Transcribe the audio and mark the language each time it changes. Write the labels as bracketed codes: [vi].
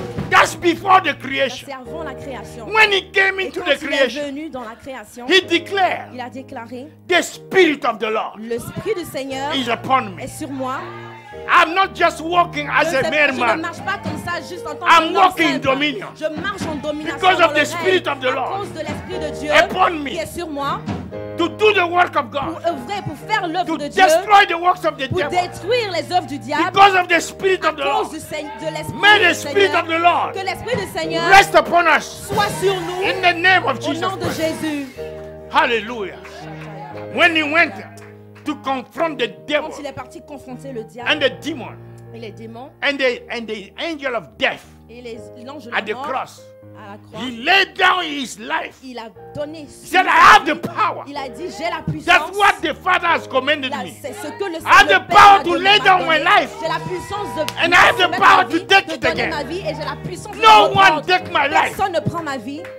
[en] That's before the creation. [fr] C'est avant la création. [en] When he came into the creation, [fr] quand il est venu dans la création, [en] he declared, [fr] il a déclaré, [en] the spirit of the Lord, [fr] l'esprit du Seigneur, [en] is upon me, [fr] est sur moi. [en] I'm not just walking as [fr] je [en] a mere man. [fr] Je ne marche pas comme ça juste en tant [en] que. I'm walking in dominion. [fr] Je marche en domination. [en] Because of the [fr] règle, [en] spirit of the Lord, [fr] à cause de l'esprit de Dieu, [en] upon me, [fr] qui est sur moi. [en] To do the work of God. [fr] Pour œuvrer, pour faire l'œuvre [en] to [fr] de [en] destroy [fr] Dieu. [en] Destroy the works of the [fr] pour [en] devil. [fr] Détruire les œuvres du diable. [en] Because of the spirit [fr] à [en] of the Lord. [fr] Du de l'esprit [en] May [fr] du [en] the spirit [fr] Seigneur, [en] of the Lord. [fr] Que l'esprit du Seigneur [en] rest upon us. [fr] Soit sur nous. [en] In the name of Jesus. [fr] Au nom de Jésus. [en] Hallelujah. When he went to confront the devil. [fr] Quand il est parti confronter le diable. [en] And the demon. [fr] Et les démons. [en] And the angel of death. [fr] Et les, l'ange de [en] at [fr] la [en] the [fr] mort. [en] Cross. [fr] Croix, [en] he laid down his life. [fr] Il a donné [en] he said, I have the power. [fr] Il a dit, j'ai la puissance. [en] That's what the Father has commanded me. [fr] C'est ce que le [en] I have [fr] le [en] the power [fr] a [en] to lay down my life. [fr] J'ai la puissance de [en] and I have the power to take it again. [fr] Ma vie et j'ai la puissance [en] no [fr] de [en] one take my life. [fr] Personne ne prend ma vie.